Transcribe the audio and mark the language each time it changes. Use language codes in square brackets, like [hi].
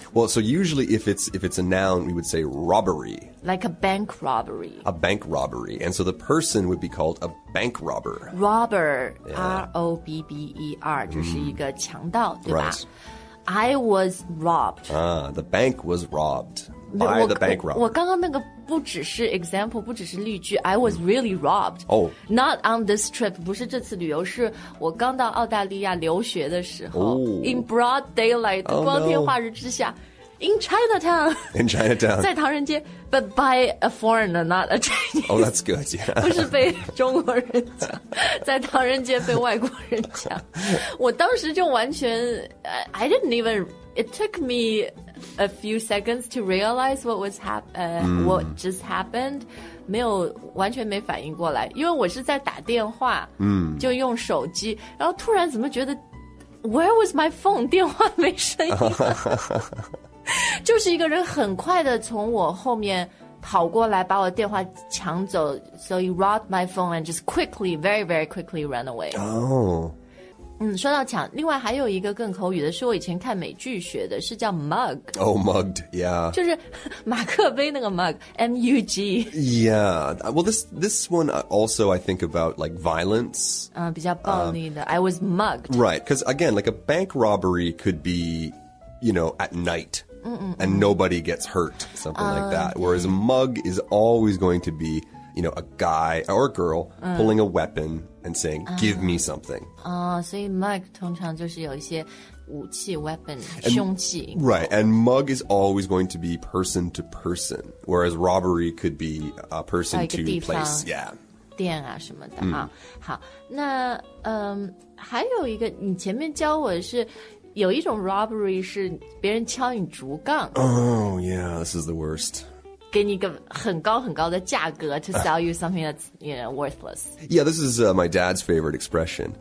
[en] Well, so usually if it's a noun, we would say robbery. Like a bank robbery. A bank robbery, and so the person would be called a bank robber. Robber,、 yeah. [zh] R-O-B-B-E-R, 就是一个强盗、 mm. 对吧、 [en] right. I was robbed. The bank was robbed. By the bank robber. [zh] 我刚刚那个不只是 [en] example, [zh] 不只是例句 [en] I was really robbed. Oh. Not on this trip, [zh] 不是这次旅游是我刚到澳大利亚留学的时候、 [en] oh. In broad daylight,、 oh, [zh] 光天化日之下、 [en] no. In Chinatown. In Chinatown. [zh] 在唐人街 [en] But by a foreigner, not a Chinese. Oh, that's good, yeah. [zh] 不是被中国人抢在唐人街被外国人抢我当时就完全 [en] I didn't even It took meA few seconds to realize what was what just happened. [zh] 没有完全没反应过来，因为我是在打电话，嗯、mm. ，就用手机，然后突然怎么觉得 ， [en] Where was my phone? [zh] 电话没声音了，就是一个人很快的从我后面跑过来，把我电话抢走。 [en] So he robbed my phone and just quickly, very, very quickly ran away. Oh. [zh] 嗯，说到抢，另外还有一个更口语的，是我以前看美剧学的，是叫 mug。 [en] Oh, mugged, yeah. [zh] 就是马克杯那个 mug, M-U-G. [en] Yeah, well, this one also I think about like violence. [zh] 比较暴力的 [en] I was mugged. Right, because again, like a bank robbery could be, you know, at night. And nobody gets hurt, something like that. Whereas a mug is always going to be, you know, a guy or a girl pulling a weapon. And saying, give me something. [zh] So mug 通常就是有一些武器 weapon, 凶器 [en] Right, and mug is always going to be person to person, whereas robbery could be a person to place. Yeah. [zh] 店啊什么的、mm. 啊。好，那还有一个，你前面教我的是有一种 robbery 是别人敲你竹杠。 [en] Oh, yeah, this is the worst. [zh] 给你一个很高很高的价格 [en] to sell you something that's, you know, worthless. Yeah, this is my dad's favorite expression.